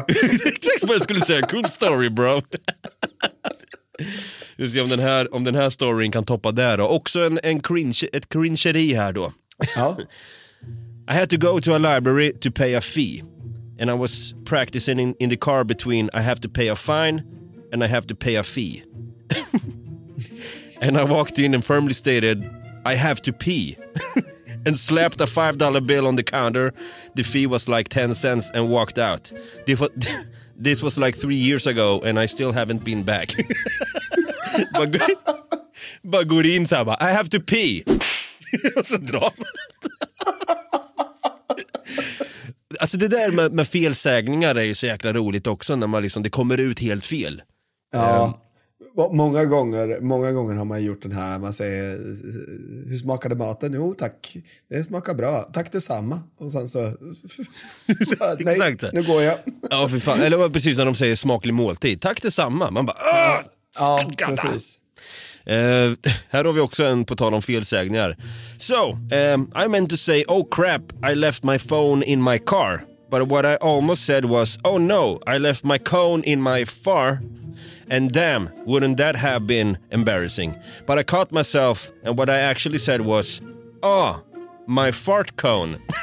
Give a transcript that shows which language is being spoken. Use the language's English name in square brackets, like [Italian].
[Swedish] Tack för att jag skulle säga [English] cool story, bro. [Swedish] Vi ser om den här storyn kan toppa där då. Också ett cringeri här då. Ja. [English] I had to go to a library to pay a fee, and I was practicing in the car between I have to pay a fine and I have to pay a fee. And I walked in and firmly stated I have to pee. And slapped a $5 bill on the counter. The fee was like 10 cents and walked out. This was like 3 years ago and I still haven't been back. [Swedish] Bara går in så bara, [English] I have to pee. [Swedish] Och så drar man. Alltså det där med felsägningar är ju så jäkla roligt också, när man liksom, det kommer ut helt fel. Ja. Många gånger har man gjort den här, man säger, hur smakade maten? Jo, tack, det smakar bra. Tack detsamma. Och sen så, nej, exakt. Nu går jag. Ja, för fan. Eller precis när de säger smaklig måltid. Tack detsamma. Man bara, ja, precis. Här har vi också en på tal om felsägningar. [English] So, I meant to say, oh crap, I left my phone in my car. But what I almost said was, oh no, I left my cone in my far. And damn, wouldn't that have been embarrassing? But I caught myself, and what I actually said was, oh, my fart cone.